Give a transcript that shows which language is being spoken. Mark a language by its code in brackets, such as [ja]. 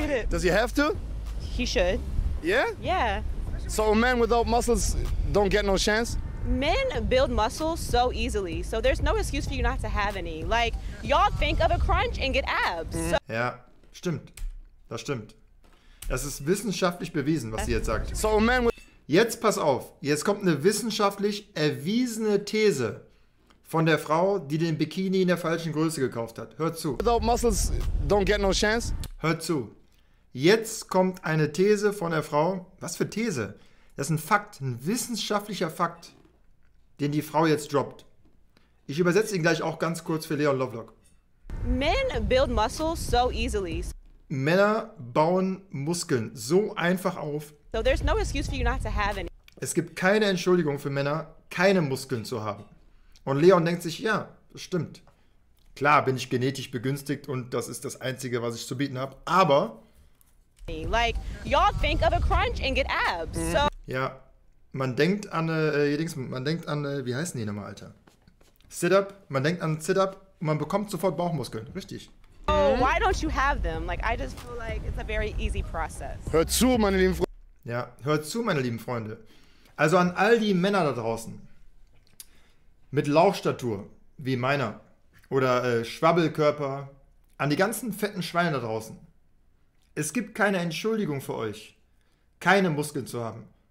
[en] Does he have to? He should. Yeah? Yeah. So a man without muscles don't get no chance? Men build muscles so easily, so there's no excuse for you not to have any. Like, y'all think of a crunch and get abs. Mm. So [de] ja, stimmt. Das stimmt. Das ist wissenschaftlich bewiesen, was sie jetzt sagt. [en] So a man with [de] jetzt pass auf, jetzt kommt eine wissenschaftlich erwiesene These von der Frau, die den Bikini in der falschen Größe gekauft hat. Hört zu. [en] Without muscles don't get no chance. [de] Hört zu. Jetzt kommt eine These von der Frau. Was für These? Das ist ein Fakt, ein wissenschaftlicher Fakt, den die Frau jetzt droppt. Ich übersetze ihn gleich auch ganz kurz für Leon Lovelock. [en] Men build muscles so easily. [de] Männer bauen Muskeln so einfach auf. [en] So there's no excuse for you not to have any. [de] Es gibt keine Entschuldigung für Männer, keine Muskeln zu haben. Und Leon denkt sich, ja, das stimmt. Klar bin ich genetisch begünstigt und das ist das Einzige, was ich zu bieten habe. Aber [en] like, y'all think of a crunch and get abs. So [de] ja, man denkt an, wie heißen die nochmal, Alter? Sit-up, man denkt an Sit-up und man bekommt sofort Bauchmuskeln, richtig. [en] So why don't you have them? Like, I just feel like it's a very easy process. [de] Hört zu, meine lieben Freunde. Ja, hört zu, meine lieben Freunde. Also an all die Männer da draußen mit Lauchstatur wie meiner oder Schwabbelkörper, an die ganzen fetten Schweine da draußen. Es gibt keine Entschuldigung für euch, keine Muskeln zu haben.